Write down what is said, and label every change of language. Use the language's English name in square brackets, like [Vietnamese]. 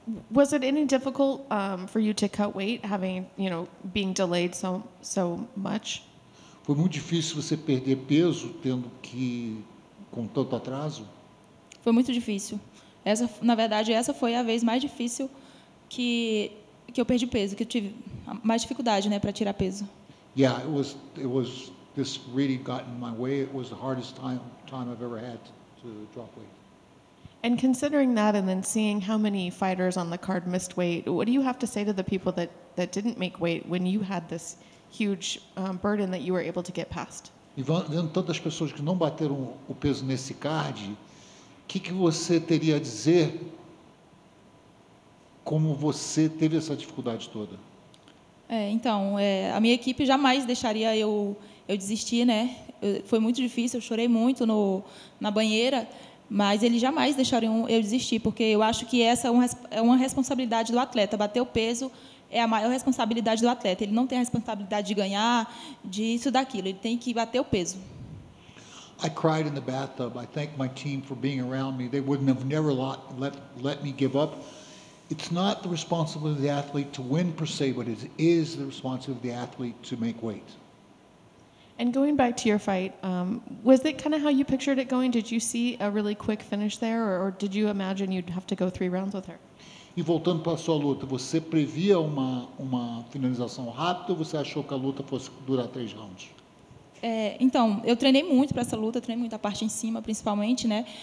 [English] Was it any difficult for you to cut weight, having, you know, being delayed so much? [Portuguese] Foi muito difícil você perder peso tendo que com tanto atraso? Foi muito difícil. Essa foi a vez mais difícil que eu perdi peso, que eu tive mais dificuldade, né, para tirar peso. [English] Yeah, it was this really got in my way. It was the hardest time I've ever had to drop weight. And considering that and then seeing how many fighters on the card missed weight, what do you have to say to the people that didn't make weight when you had this huge burden that you were able to get past? [Portuguese] Vendo tantas pessoas que não bateram o peso nesse card, o que você teria a dizer como você teve essa dificuldade toda? A minha equipe jamais deixaria eu desistir, né? Foi muito difícil, eu chorei muito na banheira. Mas eles jamais deixariam eu desistir, porque eu acho que essa é uma responsabilidade do atleta. Bater o peso é a maior responsabilidade do atleta. Ele não tem a responsabilidade de ganhar, disso, daquilo. Ele tem que bater o peso. [English] I cried in the bathtub. I thank my team for being around me. They wouldn't have never let me give up. It's not the responsibility of the athlete to win per se, but it is the responsibility of the athlete to make weight. And going back to your fight, was it kind of how you pictured it going? Did you see a really quick finish there, or did you imagine you'd have to go 3 rounds with her? [Portuguese] E voltando para a sua luta, você previa uma finalização rápida ou você achou que a luta fosse durar 3 rounds? Então, eu treinei muito para essa luta, treinei muito a parte em cima, principalmente, né?